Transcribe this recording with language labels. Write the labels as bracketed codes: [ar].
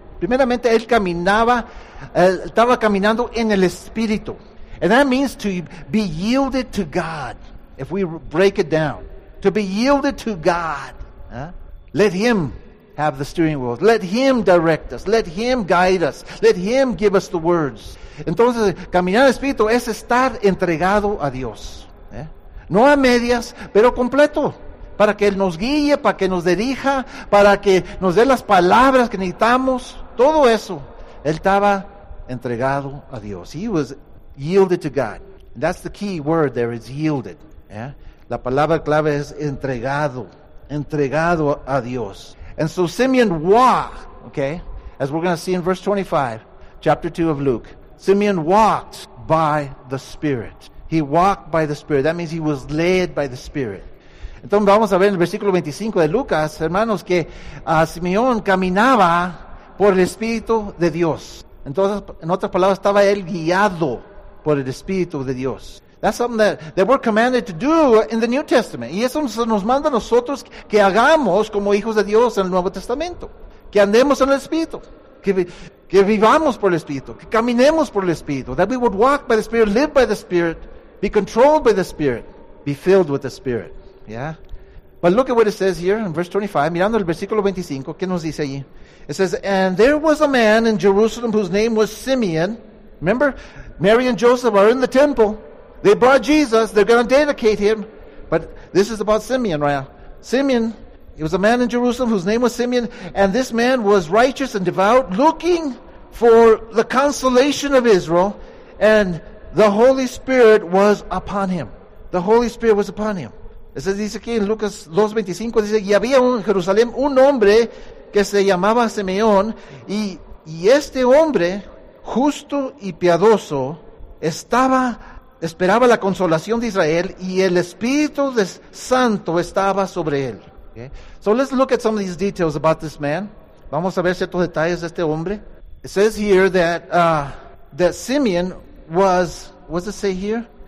[es] Primeramente, él caminaba, estaba caminando en el espíritu. [en] And that means to be yielded to God. If we break it down, to be yielded to God. Let him have the steering wheel. Let him direct us. Let him guide us. Let him give us the words. [es] Entonces, caminar en el espíritu es estar entregado a Dios. No a medias, pero completo. Para que Él nos guíe, para que nos dirija, para que nos dé las palabras que necesitamos. Todo eso. Él estaba entregado a Dios. [en] He was yielded to God. And that's the key word there, is yielded. [es] Yeah? La palabra clave es entregado. Entregado a Dios. [en] And so Simeon walked, okay? As we're going to see in verse 25, chapter 2 of Luke. Simeon walked by the Spirit. He walked by the Spirit. That means he was led by the Spirit. [es] Entonces vamos a ver en el versículo 25 de Lucas, hermanos, que Simeón caminaba por el Espíritu de Dios. Entonces, en otras palabras, estaba él guiado por el Espíritu de Dios. [en] That's something that we're commanded to do in the New Testament. [es] Y eso nos manda a nosotros que hagamos como hijos de Dios en el Nuevo Testamento. Que andemos en el Espíritu. Que vivamos por el Espíritu. Que caminemos por el Espíritu. [en] That we would walk by the Spirit, live by the Spirit, be controlled by the Spirit, be filled with the Spirit. Yeah, but look at what it says here in verse 25. [es] Mirando el versículo 25, ¿qué nos dice allí? [en] It says, "And there was a man in Jerusalem whose name was Simeon." Remember, Mary and Joseph are in the temple. They brought Jesus. They're going to dedicate him. But this is about Simeon, right? Simeon. It was a man in Jerusalem whose name was Simeon, and this man was righteous and devout, looking for the consolation of Israel, and the Holy Spirit was upon him. The Holy Spirit was upon him. [es] Eso dice aquí en Lucas 2:25, dice, y había en Jerusalén un hombre que se llamaba Simeón, y este hombre, justo y piadoso, esperaba la consolación de Israel, y el Espíritu Santo estaba sobre él. [en] Okay. So let's look at some of these details about this man. [es] Vamos a ver ciertos detalles de este hombre. [en] It says here that Simeon was, what does it say here?